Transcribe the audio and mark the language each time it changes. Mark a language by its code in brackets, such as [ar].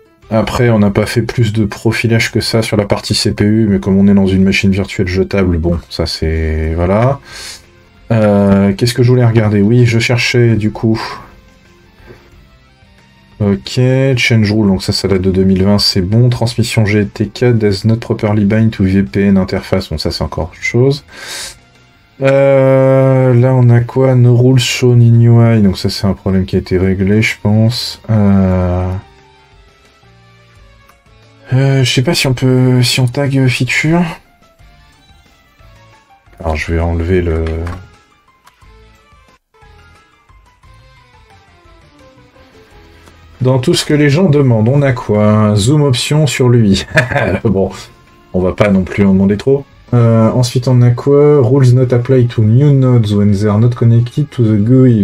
[fr] Après, on n'a pas fait plus de profilage que ça sur la partie CPU, mais comme on est dans une machine virtuelle jetable, bon, ça c'est... Voilà. Qu'est-ce que je voulais regarder? Oui, je cherchais du coup... [en] Ok, change rule, [fr] donc ça, ça date de 2020, c'est bon. [en] Transmission GTK, does not properly bind to VPN interface. [fr] Bon, ça, c'est encore autre chose. Là, on a quoi? [en] No rules shown in UI. [fr] Donc ça, c'est un problème qui a été réglé, je pense. Je sais pas si on peut... Si on tag feature. Alors, je vais enlever le... Dans tout ce que les gens demandent, on a quoi? Zoom option sur lui. Bon, on va pas non plus en demander trop. Ensuite, on a quoi? [en] Rules not apply to new nodes when they are not connected to the GUI.